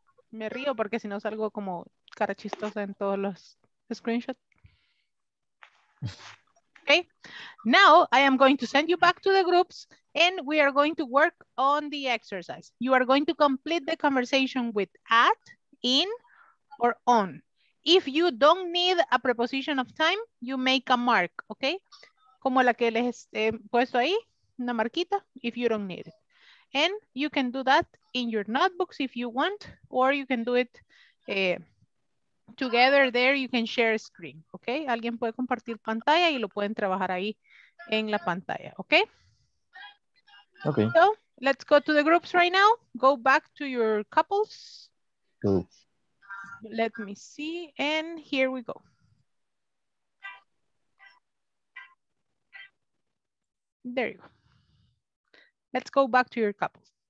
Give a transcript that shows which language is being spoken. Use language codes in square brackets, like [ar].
[es] Me río porque si no salgo como cara chistosa en todos los screenshots. [en] Okay, now I am going to send you back to the groups and we are going to work on the exercise. You are going to complete the conversation with at, in, or on. If you don't need a preposition of time, you make a mark, okay? [es] Como la que les he puesto ahí, una marquita, [en] if you don't need it. And you can do that in your notebooks if you want, or you can do it together there, you can share a screen, okay? [es] Alguien puede compartir pantalla y lo pueden trabajar ahí en la pantalla, okay? [en] Okay. So let's go to the groups right now. Go back to your couples. Cool. Let me see, and here we go. There you go. Let's go back to your couples.